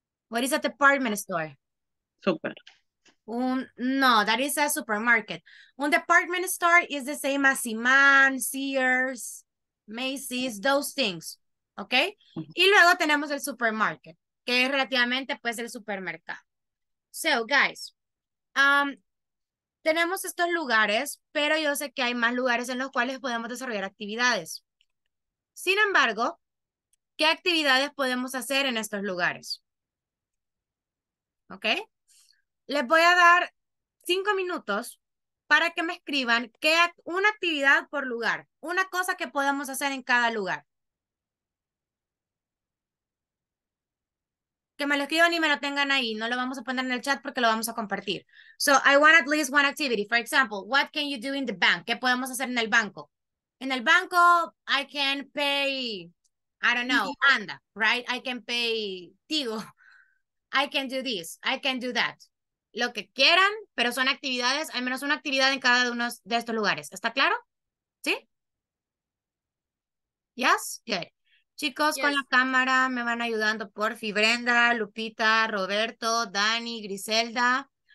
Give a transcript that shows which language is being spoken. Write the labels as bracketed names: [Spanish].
[English] What is a department store? Super. No, that is a supermarket. Un department store is the same as Simán, Sears, Macy's, those things. Okay? [Spanish] Y luego tenemos el supermarket, que es relativamente pues el supermercado. [English] So, guys, [Spanish] tenemos estos lugares, pero yo sé que hay más lugares en los cuales podemos desarrollar actividades. Sin embargo, ¿qué actividades podemos hacer en estos lugares? ¿Ok? Les voy a dar 5 minutos para que me escriban qué una actividad por lugar, una cosa que podemos hacer en cada lugar. Que me lo escriban y me lo tengan ahí. No lo vamos a poner en el chat porque lo vamos a compartir. [English] So, I want at least one activity. For example, what can you do in the bank? [Spanish] ¿Qué podemos hacer en el banco? En el banco, [English] I can pay, I don't know, anda, right? I can pay, digo, I can do this, I can do that. [Spanish] Lo que quieran, pero son actividades, al menos una actividad en cada uno de estos lugares. ¿Está claro? ¿Sí? [English] Yes? Good. [Spanish] Chicos, yes. Con la cámara me van ayudando, porfi. Brenda, Lupita, Roberto, Dani, Griselda.